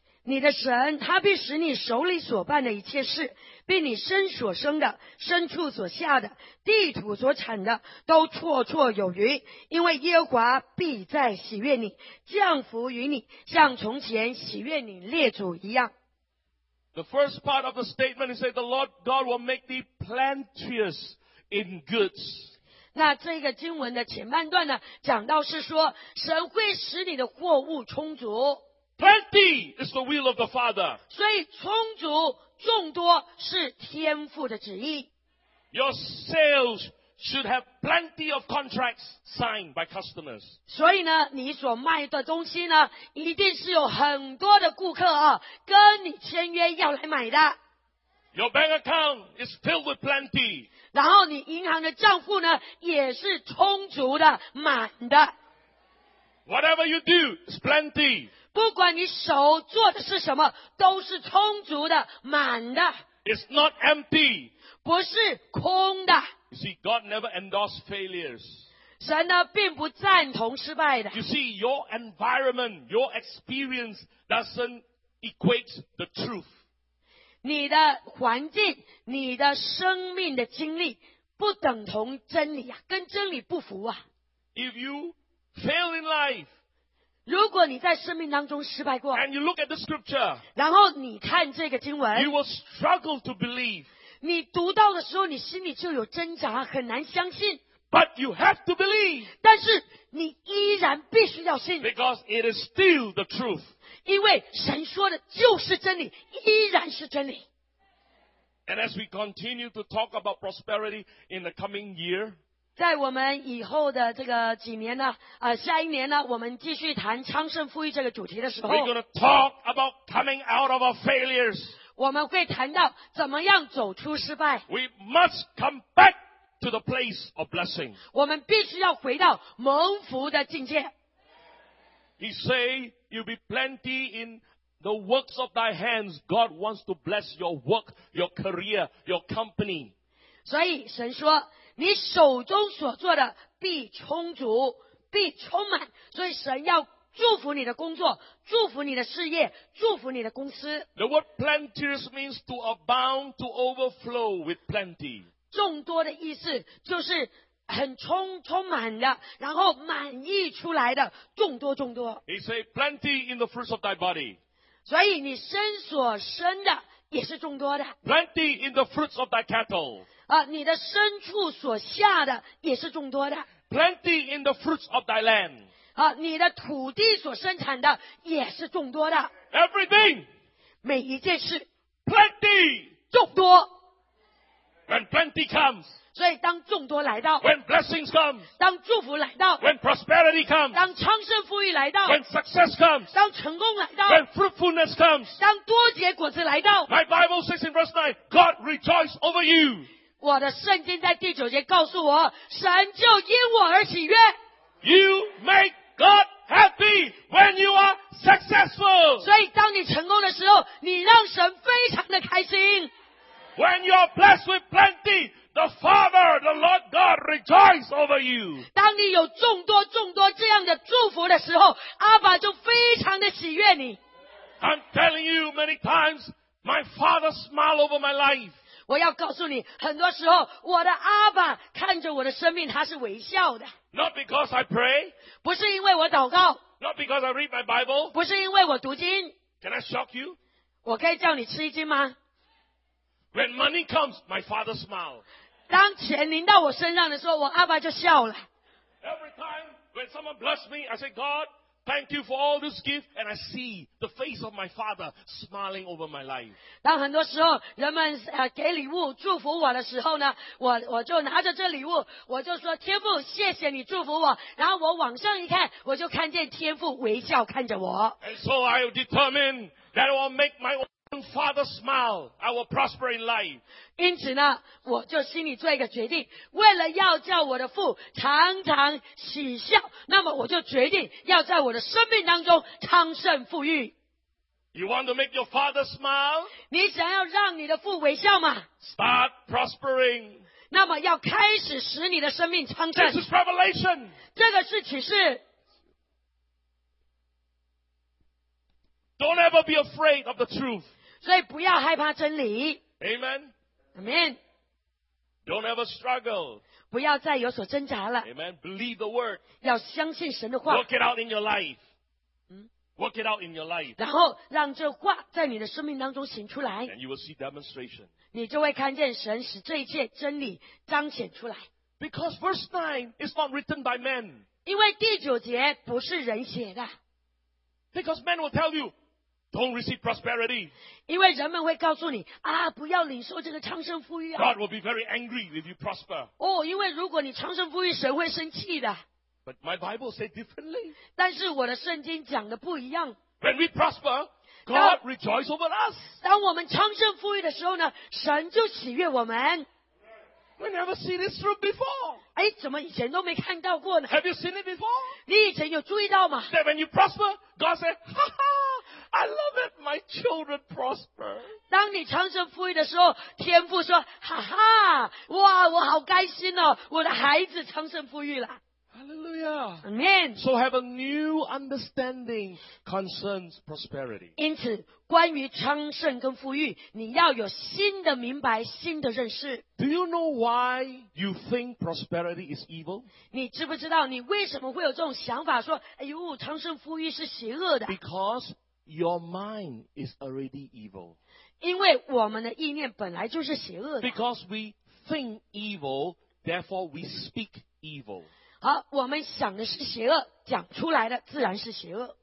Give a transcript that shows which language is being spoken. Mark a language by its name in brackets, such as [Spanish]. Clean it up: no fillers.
[Chinese] 你的神，他必使你手里所办的一切事，并你身所生的、牲畜所下的、地土所产的，都绰绰有余，因为耶和华必在喜悦你，降福于你，像从前喜悦你列祖一样。 [English] The first part of the statement is that the Lord God will make thee plenteous in goods. [Chinese] 那这个经文的前半段呢，讲到是说神会使你的货物充足。 [English] Plenty is the will of the Father. [Chinese] 所以充足众多是天父的旨意。 [English] Your sales should have plenty of contracts signed by customers. [Chinese] 所以呢，你所卖的东西呢，一定是有很多的顾客啊，跟你签约要来买的。 [English] Your bank account is filled with plenty. [Chinese] 然后你银行的账户呢也是充足的满的。 [English] Whatever you do is plenty. [Chinese] 不管你手做的是什么都是充足的满的。 [English] It's not empty. [Chinese] 不是空的。 [English] You see, God never endorses failures. [Chinese] 神呢并不赞同失败的。 [English] You see, your environment, your experience doesn't equate the truth. [Chinese] 你的环境，你的生命的经历不等同真理啊，跟真理不符啊。 [English] If you fail in life, [Chinese] 如果你在生命当中失败过， [English] and you look at the scripture, [Chinese] 然后你看这个经文， [English] you will struggle to believe. [Chinese] 你读到的时候，你心里就有挣扎，很难相信。 [English] But you have to believe. [Chinese] 但是你依然必须要信。 [English] Because it is still the truth. [Chinese] 因为神说的就是真理，依然是真理。 [English] And as we continue to talk about prosperity in the coming year, [Chinese] 在我们以后的这个几年呢，下一年呢，我们继续谈昌盛富裕这个主题的时候， [English] we're going to talk about coming out of our failures. [Chinese] 我们会谈到怎么样走出失败。 [English] We must come back to the place of blessing. [Chinese] 我们必须要回到蒙福的境界。 [English] He say, you'll be plenty in the works of thy hands, God wants to bless your work, your career, your company. [Chinese] 所以神说，你手中所做的必充足，必充满。所以神要祝福你的工作，祝福你的事业，祝福你的公司。 [English] The word plenteous means to abound, to overflow with plenty. [Chinese] 众多的意思就是很充满的，然后满溢出来的，众多众多。 [English] He said plenty in the fruits of thy body. [Chinese] 所以你身所生的也是众多的。 [English] Plenty in the fruits of thy cattle. [Chinese] 你的牲畜所下的也是众多的。 [English] Plenty in the fruits of thy land. [Chinese] 你的土地所生产的也是众多的。 [English] Everything. [Chinese] 每一件事。 [English] Plenty. [Chinese] 众多。 [English] When plenty comes. [Chinese] 所以当众多来到 [English] When blessings come, [Chinese] 当祝福来到 [English] When prosperity comes, [Chinese] 当昌盛富裕来到 [English] When success comes, [Chinese] 当成功来到 [English] When fruitfulness comes, [Chinese] 当多结果子来到 [English] My Bible says in verse 9, God rejoices over you. [Chinese] 我的圣经在第九节告诉我神就因我而喜悦 [English] You make God happy when you are successful. [Chinese] 所以当你成功的时候你让神非常的开心 [English] When you are blessed with plentyThe Father, the Lord God, rejoices over you. [Chinese] 当你有众多众多这样的祝福的时候，阿爸就非常的喜悦你。 [English] I'm telling you many times, my Father smiled over my life. [Chinese] 我要告诉你，很多时候我的阿爸看着我的生命，他是微笑的。 [English] Not because I pray. [Chinese] 不是因为我祷告。 [English] Not because I read my Bible. [Chinese] 不是因为我读经。 [English] Can I shock you? [Chinese] 我可以叫你吃一惊吗？ [English] When money comes, my father smiles. [Chinese] 当钱临到我身上的时候，我阿爸就笑了。 [English] Every time when someone blesses me, I say, God, thank you for all this gift, and I see the face of my father smiling over my life. [Chinese] 当很多时候人们给礼物祝福我的时候呢，我就拿着这礼物，我就说天父，谢谢你祝福我。然后我往上一看，我就看见天父微笑看着我。 [English] And so I determine that I will make my own. Father smile, I will prosper in life. [Chinese] 因此呢，我就心里做一个决定，为了要叫我的父常常喜笑，那么我就决定要在我的生命当中昌盛富裕。 [English] You want to make your father smile? [Chinese] 你想要让你的父微笑吗？ [English] Start prospering. [Chinese] 那么要开始使你的生命昌盛。 [English] This is revelation. [Chinese] 这个是启示。 [English] Don't ever be afraid of the truth. [Chinese] 所以不要害怕真理。 [English] Amen. Amen. Don't ever struggle. [Chinese] 不要再有所挣扎了。 [English] Amen. Believe the word. [Chinese] 要相信神的话。 [English] Work it out in your life. Work it out in your life. [Chinese] 然后让这话在你的生命当中行出来。 [English] And you will see demonstration. [Chinese] 你就会看见神使这一切真理彰显出来。 [English] Because verse 9 is not written by men. [Chinese] 因为第九节不是人写的。 [English] Because men will tell you, don't receive prosperity. [Chinese] 因为人们会告诉你啊，不要领受这个昌盛富裕啊。 [English] God will be very angry if you prosper. [Chinese] 哦，因为如果你昌盛富裕，神会生气的。 [English] But my Bible says differently. [Chinese] 但是我的圣经讲的不一样。 [English] When we prosper, God rejoices over us. [Chinese] 当我们昌盛富裕的时候呢，神就喜悦我们。 [English] We never see this through before. [Chinese] 哎，怎么以前都没看到过呢？ [English] Have you seen it before? [Chinese] 你以前有注意到吗？ [English] That when you prosper, God says, "Ha ha, I love it. My children prosper." [Chinese] 当你昌盛富裕的时候，天父说，哈哈，哇，我好开心哦，我的孩子昌盛富裕了。 [English] Hallelujah. Amen. So have a new understanding concerns prosperity. [Chinese] 因此，关于昌盛跟富裕，你要有新的明白，新的认识。 [English] Do you know why you think prosperity is evil? [Chinese] 你知不知道你为什么会有这种想法说，哎呦，昌盛富裕是邪恶的？ [English] Because your mind is already evil. [Chinese] 因为我们的意念本来就是邪恶的。 [English] Because we think evil, therefore we speak evil. [Chinese] 好，我们想的是邪恶，讲出来的自然是邪恶。